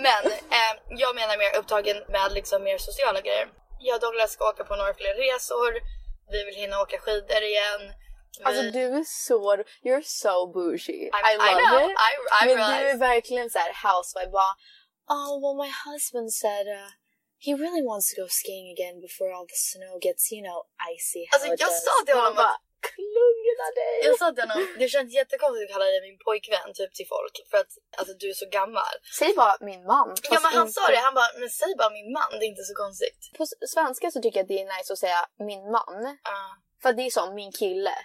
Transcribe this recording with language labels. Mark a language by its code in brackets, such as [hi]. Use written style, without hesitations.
[sv] Men jag menar mer upptagen med liksom mer sociala grejer. Jag och Douglas ska åka på några fler resor. Vi vill hinna åka skidor igen. Alltså du är så... [en] You're so bougie. I love it. [sv] Men du är verkligen så här housewife. Bara, [en] oh, well my husband said... He really wants to go skiing again before all the snow gets, you know, icy. [sv] Alltså jag sa det honom att... Klungna dig. Jag sa att det känns jättekonstigt att kalla dig min pojkvän typ till folk. För att alltså, du är så gammal. Säg bara min man. Ja, men han sa det, han bara, men säg bara min man. Det är inte så konstigt. På svenska så tycker jag att det är nice att säga min man. För det är som min kille.